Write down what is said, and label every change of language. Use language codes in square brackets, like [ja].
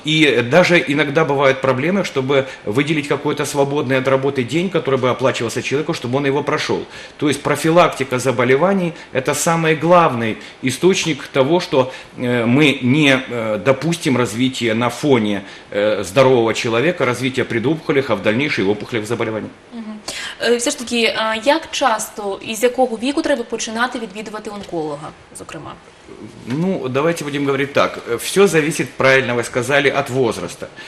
[ru] И даже иногда бывают проблемы, чтобы выделить какой-то свободный от работы день, который бы оплачивался человеку, чтобы он его прошел. То есть профилактика заболеваний – это самый главный источник того, что мы не допустим развития на фоне уровне здорового человека развитие предопухолей, а в дальнейшем и опухолевых заболеваний. [uk] Все ж таки, як часто і з якого віку треба починати відвідувати онколога, зокрема? [ru] Ну, давайте будем говорить так. Все зависит, правильно вы сказали, от возраста.